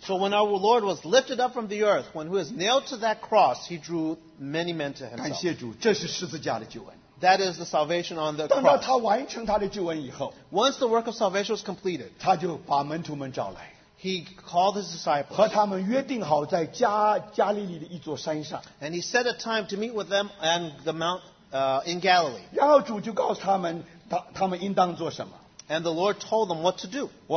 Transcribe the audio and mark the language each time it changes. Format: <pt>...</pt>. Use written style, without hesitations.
<en>So when our Lord was lifted up from the earth, when He was nailed to that cross, He drew many men to Himself.</en> <zh>感谢主,这是十字架的救恩。</zh> <en>That is the salvation on the cross.</en> <zh>当他完成他的救恩以后,</zh> <en>once the work of salvation was completed,</en> <zh>他就把门徒们召来。</zh> <en>He called His disciples. And He set a time to meet with them on the mount in Galilee. And the Lord told them what to do.</en>